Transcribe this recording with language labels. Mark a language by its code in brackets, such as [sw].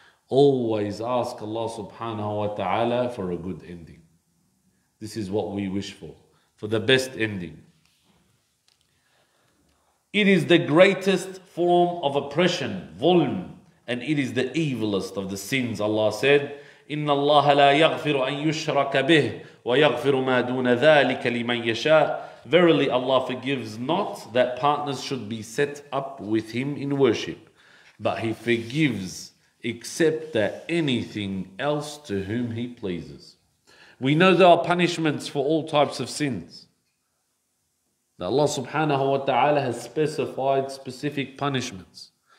[en] Always ask Allah subhanahu wa ta'ala for a good ending. This is what we wish for the best ending. It is the greatest form of oppression, zulm, and it is the evilest of the sins. [ar] Allah said, إِنَّ اللَّهَ لَا يَغْفِرُ أَن يُشْرَكَ بِهِ وَيَغْفِرُ مَا دُونَ ذَٰلِكَ لِمَن يَشَاءُ. [en] Verily Allah forgives not that partners should be set up with Him in worship, but He forgives except that anything else to whom He pleases. We know there are punishments for all types of sins. That Allah subhanahu wa ta'ala has specified specific punishments.